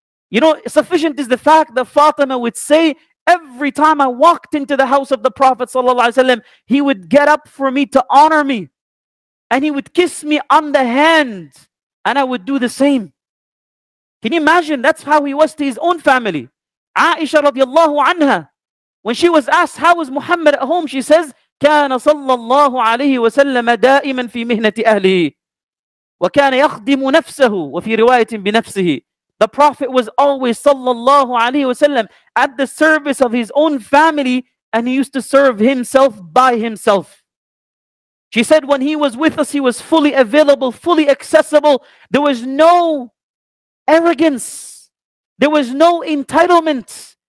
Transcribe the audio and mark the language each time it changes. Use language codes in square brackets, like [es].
[en] You know, sufficient is the fact that Fatima would say, every time I walked into the house of the Prophet ﷺ, he would get up for me to honor me. And he would kiss me on the hand. And I would do the same. Can you imagine? That's how he was to his own family. Aisha radiallahu anha, when she was asked, how is Muhammad at home? She says, [ar] كان صلى الله عليه وسلم دائما في مهنة أهله وكان يخدم نفسه وفي رواية بنفسه. [en] The Prophet was always [ar] صلى الله عليه وسلم [en] at the service of his own family, and he used to serve himself by himself. She said, when he was with us, he was fully available, fully accessible. There was no arrogance. There was no entitlement.